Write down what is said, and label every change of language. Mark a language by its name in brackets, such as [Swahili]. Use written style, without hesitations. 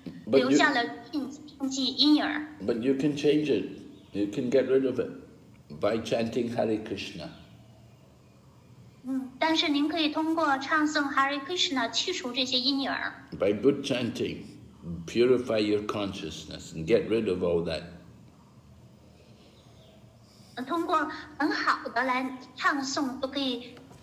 [Chinese] 这是由于我们过往所从事的种种的罪恶活动，就在我们的内心心田当中留下了印记阴影。 [English] But you can change it. You can get rid of it by chanting Hare Krishna. [Chinese] 但是您可以通过唱诵 Hare Krishna 去除这些阴影。 [English] By good chanting, purify your consciousness and get rid of all that. [Chinese] 通过很好的来唱诵都可以。